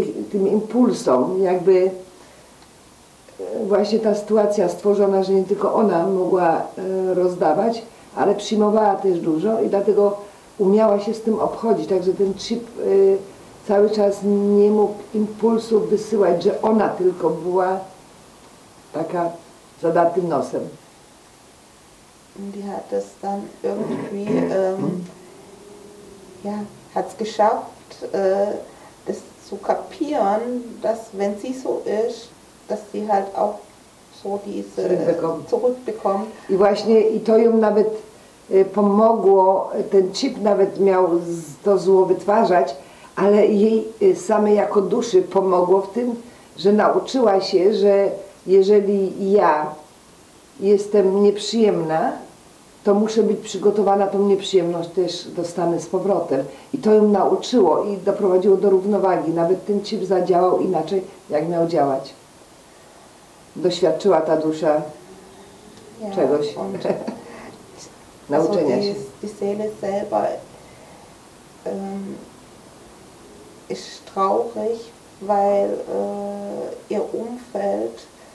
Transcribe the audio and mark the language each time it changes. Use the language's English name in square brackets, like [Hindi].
[Polish] tym impulsom, jakby właśnie ta sytuacja stworzona, że nie tylko ona mogła rozdawać, ale przyjmowała też dużo i dlatego umiała się z tym obchodzić, także ten chip cały czas nie mógł impulsów wysyłać, że ona tylko była taka zadartym nosem. [German] Die hat es dann irgendwie ja, hat's geschafft, das zu kapieren, dass wenn sie so ist, dass sie halt auch so diese zurückbekommt. [Polish] I właśnie i to ją nawet pomogło, ten chip nawet miał to zło wytwarzać. Ale jej same jako duszy pomogło w tym, że nauczyła się, że jeżeli ja jestem nieprzyjemna, to muszę być przygotowana, tą nieprzyjemność też dostanę z powrotem. I to ją nauczyło i doprowadziło do równowagi. Nawet ten chip zadziałał inaczej, jak miał działać. Doświadczyła ta dusza czegoś. Nauczenia się. [German] Die Seele selber ist traurig, weil ihr Umfeld